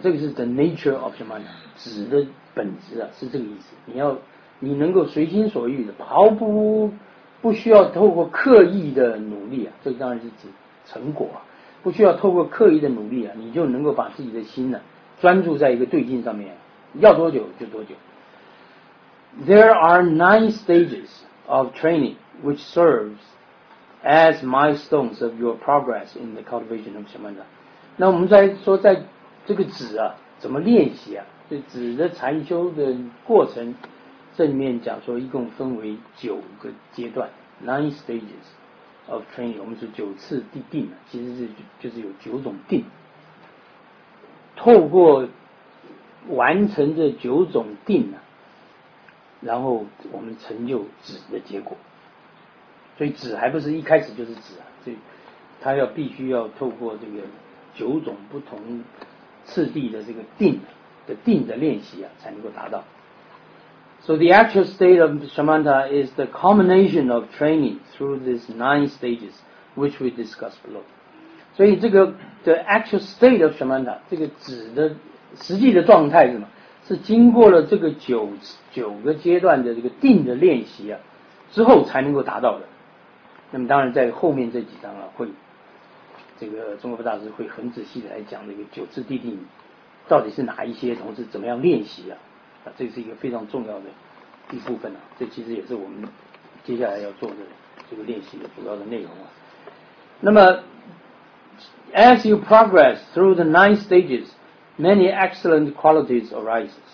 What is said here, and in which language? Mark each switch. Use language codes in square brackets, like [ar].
[zh] 这个是 [en] the nature of Samatha, [zh] 指的本质啊，是这个意思。你能够随心所欲的，毫不需要透过刻意的努力啊，这当然是指成果啊，不需要透过刻意的努力啊，你就能够把自己的心呢、啊、专注在一个对境上面，要多久就多久。 [en] There are 9 stages of training which serves as milestones of your progress in the cultivation of Samatha. [zh] 那我们在说在这个止啊怎么练习啊，这止的禅修的过程，这里面讲说一共分为九个阶段， [en] 9 stages of training, [zh] 我们是九次地定，其实是就是有九种定，透过完成这九种定啊，然后我们成就止的结果。所以止还不是一开始就是止啊，所以它要必须要透过这个九种不同次第的这个定的练习啊才能够达到。 [en] So the actual state of Samatha is the culmination of training through these 9 stages which we discussed below. [zh] 所以这个 [en] the actual state of Samatha, [zh] 这个止的实际的状态是什么？是经过了这个九个阶段的这个定的练习啊之后才能够达到的。那么当然在后面这几章啊，会这个中国佛大师会很仔细的来讲这个九次地定到底是哪一些，同时怎么样练习啊，啊这是一个非常重要的一部分啊，这其实也是我们接下来要做的这个练习的主要的内容啊。 [en] 那么 as you progress through the 9 stages,Many excellent qualities arises.